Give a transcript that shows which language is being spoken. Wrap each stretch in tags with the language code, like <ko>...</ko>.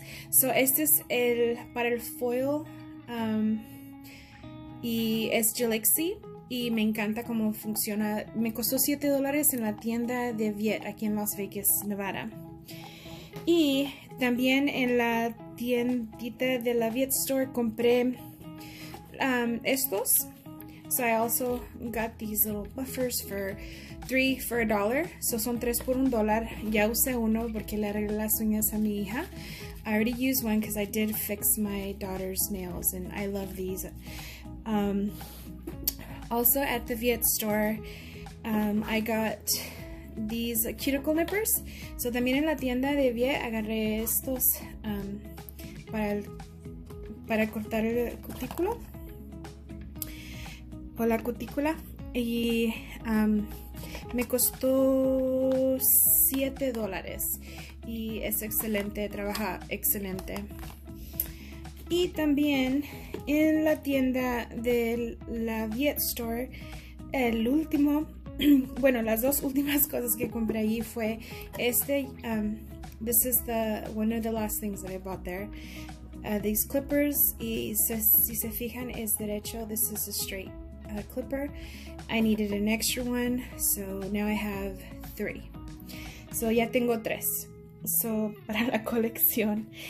<es>So este es el para el foil, y es Gilixi, y me encanta cómo funciona. Me costó $7 en la tienda de Viet aquí en Las Vegas, Nevada. Y también en la tiendita de la Viet store compré estos.</es> <en>So I also got these little buffers for $3 for $1.</en> <es>So son tres por un dólar. Ya usé uno porque le arreglé las uñas a mi hija.</es> <en>I already used one because I did fix my daughter's nails, and I love these. Also at the Viet store, I got these cuticle nippers.</en> <es>So también en la tienda de Viet agarré estos para cortar el cutículo o la cutícula, y me costó $7, y es excelente, trabaja excelente. Y también en la tienda de la Viet store, el último, bueno, las dos últimas cosas que compré allí fue este.</es> <en>This is the one of the last things that I bought there.</en> <es>These clippers. Y si se fijan, es derecho.</es> <en>This is a straight clipper. I needed an extra one, so now I have three.</en> <es>So ya tengo tres. So para la colección.</es>